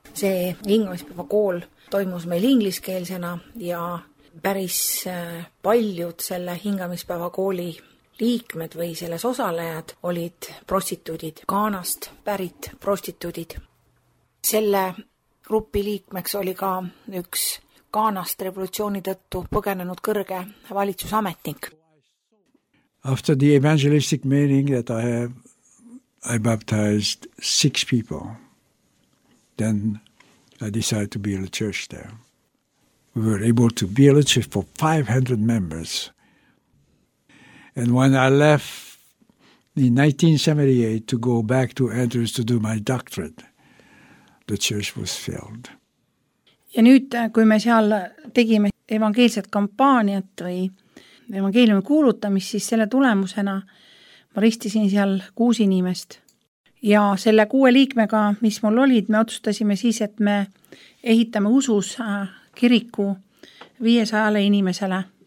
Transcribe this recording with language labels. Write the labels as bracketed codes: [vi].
[et] See hingamispäevakool toimus meil ingliskeelsena ja päris paljud selle hingamispäevakooli liikmed või selles osalejad olid prostituudid, Kaanast pärit prostituudid. Selle gruppi liikmeks oli ka üks Kaanast revolutsiooni tõttu põgenenud kõrge valitsusametnik. [en] After the evangelistic meeting that I have I baptized 6 people. Then I decided to build a church there. We were able to build a church for 500 members. And when I left in 1978 to go back to Andrews to do my doctorate, the church was filled. [et] Ja nüüd, kui me seal tegime evangeelset kampaaniat või evangeeliumi kuulutamist, siis selle tulemusena ma ristisin seal 6 inimest. Ja selle 6 liikmega, mis mul olid, me otsustasime siis, et me ehitame usus kiriku 500 inimesele.